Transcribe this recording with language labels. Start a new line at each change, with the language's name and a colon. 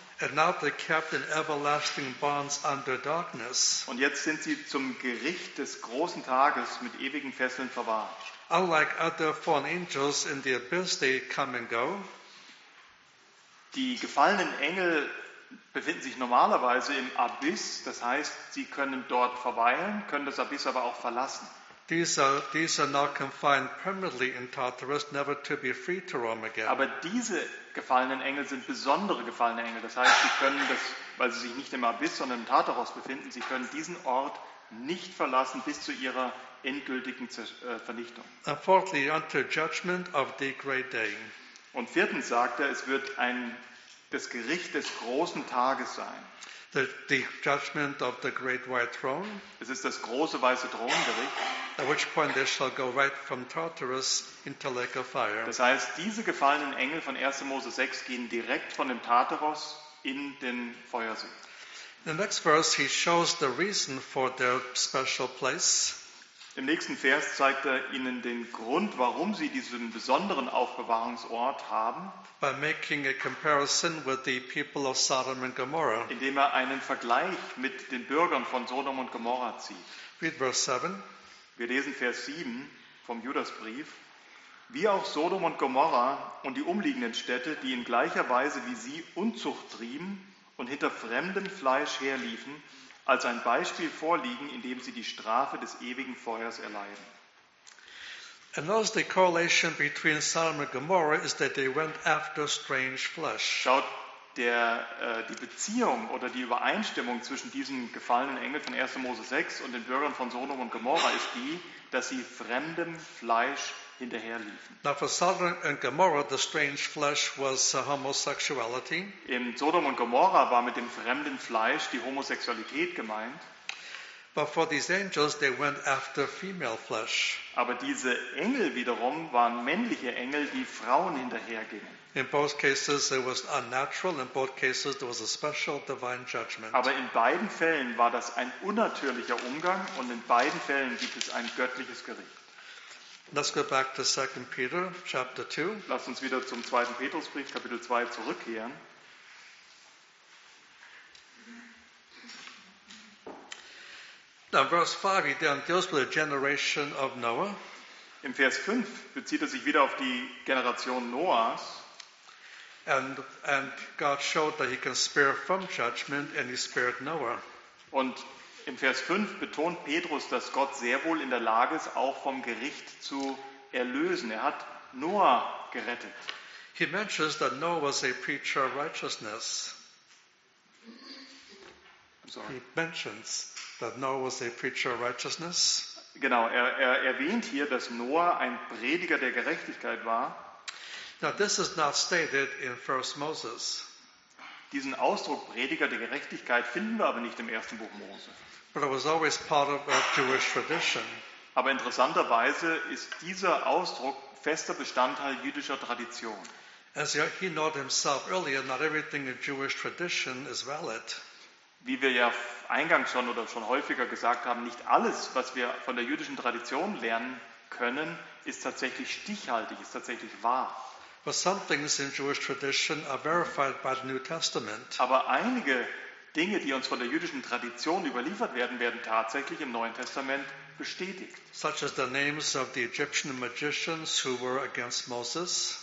English: And now they kept in everlasting bonds under darkness.
German: Und jetzt sind sie zum Gericht des großen Tages mit ewigen Fesseln verwahrt.
English: Unlike other fallen angels in the abyss, they come and go.
German: Die gefallenen Engel befinden sich normalerweise im Abyss. Das heißt, sie können dort verweilen, können das Abyss aber auch verlassen.
English: These are not confined permanently in Tartarus, never to be free to roam again.
German: Aber diese gefallenen Engel sind besondere gefallene Engel. Das heißt, sie können das, weil sie sich nicht im Abyss, sondern im Tartarus befinden, sie können diesen Ort nicht verlassen bis zu ihrer endgültigen Vernichtung.
English: And fourthly, unto judgment of the great day.
German: Und viertens sagt er, es wird das Gericht des großen Tages sein.
English: The judgment of the great white throne.
German: Es ist das große weiße Throngericht.
English: At which point they shall go right from Tartarus into lake of fire.
German: Das heißt, diese gefallenen Engel von 1. Mose 6 gehen direkt von dem Tartarus in den Feuersee.
English: In the next verse he shows the reason for their special place.
German: Im nächsten Vers zeigt er ihnen den Grund, warum sie diesen besonderen Aufbewahrungsort haben.
English: By making a comparison with the people of Sodom and Gomorrah.
German: Indem er einen Vergleich mit den Bürgern von Sodom und Gomorrah zieht.
English: Read verse 7.
German: Wir lesen Vers 7 vom Judasbrief. Wie auch Sodom und Gomorra und die umliegenden Städte, die in gleicher Weise wie sie Unzucht trieben und hinter fremdem Fleisch herliefen, als ein Beispiel vorliegen, indem sie die Strafe des ewigen Feuers erleiden.
English: And notice the correlation between Sodom and Gomorrah is that they went after strange flesh.
German: Schaut die Beziehung oder die Übereinstimmung zwischen diesen gefallenen Engeln von 1. Mose 6 und den Bürgern von Sodom und Gomorrah ist die, dass sie fremdem Fleisch hinterherliefen.
English: Now for Sodom and Gomorrah, the strange flesh was homosexuality.
German: In Sodom und Gomorrah war mit dem fremden Fleisch die Homosexualität gemeint.
English: But for these angels, they went after female flesh.
German: Aber diese Engel wiederum waren männliche Engel, die Frauen hinterhergingen.
English: In both cases, it was unnatural. In both cases, there was a special divine judgment.
German: Aber in beiden Fällen war das ein unnatürlicher Umgang, und in beiden Fällen gibt es ein göttliches Gericht.
English: Let's go back to 2 Peter chapter 2.
German: Lass uns wieder zum 2. Petrusbrief Kapitel 2 zurückkehren.
English: Now verse 5 deals with the generation of Noah.
German: In Vers 5 bezieht er sich wieder auf die Generation Noahs.
English: And God showed that he can spare from judgment and he spared Noah.
German: Und im Vers 5 betont Petrus, dass Gott sehr wohl in der Lage ist, auch vom Gericht zu erlösen. Er hat Noah gerettet.
English: He mentions that Noah was a preacher of righteousness. He mentions that Noah was a preacher of righteousness.
German: Genau, er erwähnt hier, dass Noah ein Prediger der Gerechtigkeit war.
English: Now this is not stated in 1 Moses.
German: Diesen Ausdruck Prediger der Gerechtigkeit finden wir aber nicht im ersten Buch Mose.
English: But it was always part of a Jewish tradition.
German: Aber interessanterweise ist dieser Ausdruck fester Bestandteil jüdischer Tradition.
English: As he noted himself earlier, not everything in Jewish tradition is valid.
German: Wie wir ja eingangs schon oder schon häufiger gesagt haben, nicht alles, was wir von der jüdischen Tradition lernen können, ist tatsächlich stichhaltig, ist tatsächlich wahr.
English: But some things in Jewish tradition are verified by the New Testament.
German: Aber einige Dinge, die uns von der jüdischen Tradition überliefert werden, werden tatsächlich im Neuen Testament bestätigt.
English: Such as the names of the Egyptian magicians who were against Moses.